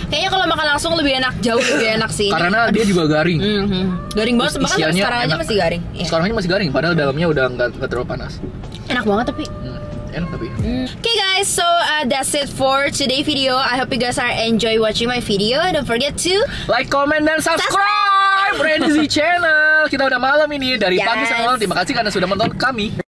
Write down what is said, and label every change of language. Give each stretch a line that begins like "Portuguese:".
Indonesian: Kayaknya kalau makan langsung lebih enak, jauh lebih enak sih. Karena dia juga garing. Garing banget. Terus bahkan sekarang aja masih garing. Ya. Sekarang aja masih garing. Padahal dalamnya udah nggak terlalu panas. Enak banget tapi.
English: Okay guys, so that's it for today video. I hope you guys are enjoy watching my video. Don't forget to like, comment, dan subscribe Renzi channel.
Indonesian: Kita udah malam ini dari pagi sampai malam. Terima kasih karena sudah menonton kami.